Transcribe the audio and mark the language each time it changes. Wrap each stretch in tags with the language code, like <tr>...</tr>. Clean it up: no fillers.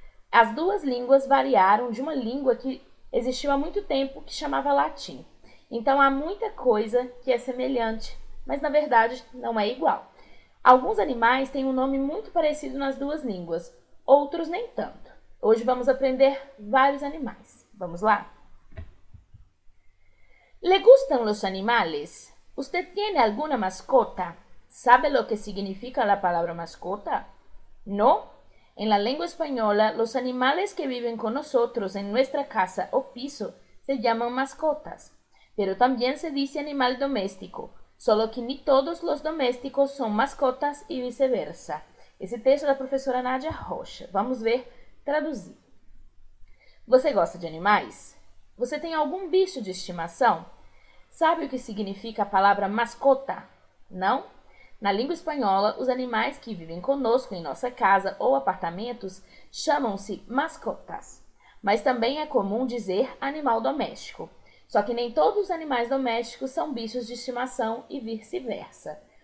<pt>As duas línguas variaram de uma língua que existiu há muito tempo que chamava latim. Então há muita coisa que é semelhante, mas na verdade não é igual. Alguns animais têm um nome muito parecido nas duas línguas, outros nem tanto. Hoje vamos aprender vários animais. Vamos lá?</pt> <es>¿Le gustan los animales? ¿Usted tiene alguna mascota? ¿Sabe lo que significa la palabra mascota? ¿No? En la lengua española, los animales que viven con nosotros en nuestra casa o piso se llaman mascotas, pero también se dice animal doméstico, solo que ni todos los domésticos son mascotas y viceversa. Ese texto es de la profesora Nadia Rocha.</es> <pt>Vamos ver traducir. ¿Você gosta de animais? ¿Você tem algum bicho de estimação? ¿Sabe o que significa a palavra mascota? ¿Não? Na língua espanhola, os animais que vivem conosco em nossa casa ou apartamentos chamam-se mascotas. Mas também é comum dizer animal doméstico. Só que nem todos os animais domésticos são bichos de estimação e vice-versa.</pt>